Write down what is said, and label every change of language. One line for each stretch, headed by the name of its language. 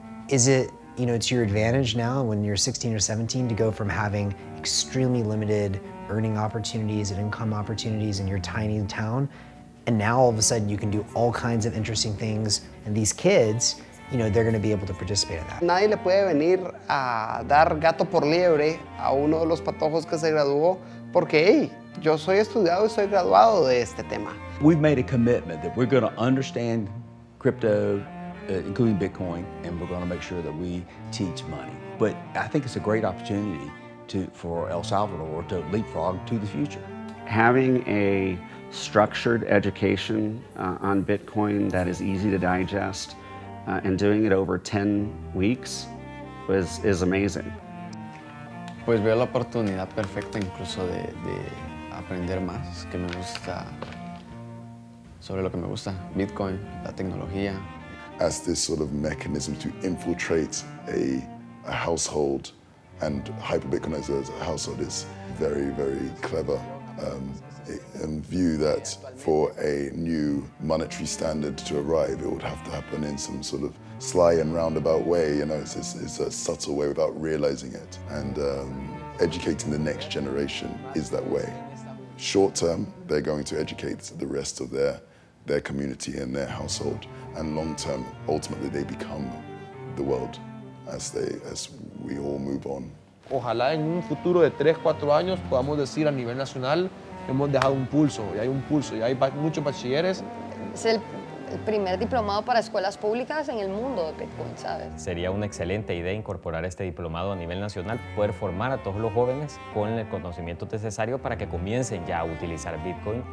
English: Is it, you know, to your advantage now when you're 16 or 17 to go from having extremely limited earning opportunities and income opportunities in your tiny town, and now all of a sudden you can do all kinds of interesting things, and these kids, you know, they're going to be able to participate in that.
Spanish: Nadie le puede venir a dar gato por liebre a uno de los patojos que se graduó porque, hey, yo soy estudiado y soy graduado de este tema.
English: We've made a commitment that we're going to understand crypto, including Bitcoin, and we're going to make sure that we teach money. But I think it's a great opportunity for El Salvador to leapfrog to the future. Having a structured education on Bitcoin that is easy to digest and doing it over 10 weeks is amazing.
Spanish: Pues veo la oportunidad perfecta incluso de aprender más que me gusta sobre lo que me gusta, Bitcoin, la tecnología.
English: As this sort of mechanism to infiltrate a household, and hyper-Bitcoinizer as a household is very, very clever. And view that for a new monetary standard to arrive, it would have to happen in some sort of sly and roundabout way. You know, it's a subtle way without realizing it. And educating the next generation is that way. Short term, they're going to educate the rest of their community and their household. And long term, ultimately, they become the world as we all move on.
Spanish: Ojalá en un futuro de 3-4 años podamos decir a nivel nacional hemos dejado un pulso, y hay un pulso, y hay muchos bachilleres. Es el el primer diplomado para escuelas públicas en el mundo de Bitcoin, ¿sabes? Sería una excelente idea incorporar este diplomado a nivel nacional, poder formar a todos los jóvenes con el conocimiento necesario para que comiencen ya a utilizar Bitcoin.